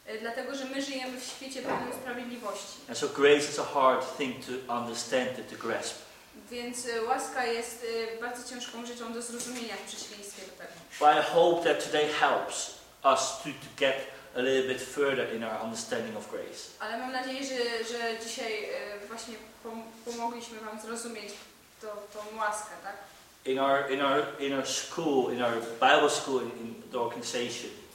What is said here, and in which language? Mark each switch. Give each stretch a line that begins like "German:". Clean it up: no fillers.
Polish: Dlatego, że my żyjemy w świecie pełnym sprawiedliwości.
English: And so grace is a hard thing to understand and to grasp.
Polish: Więc łaska jest bardzo ciężką rzeczą do zrozumienia w przeciwieństwie do tego.
English: But I hope that today helps us to get a little bit further in our understanding of grace.
Polish: Ale mam nadzieję, że dzisiaj właśnie pomogliśmy wam zrozumieć tą łaskę, tak?
English: In our school, in our Bible school, in the organization.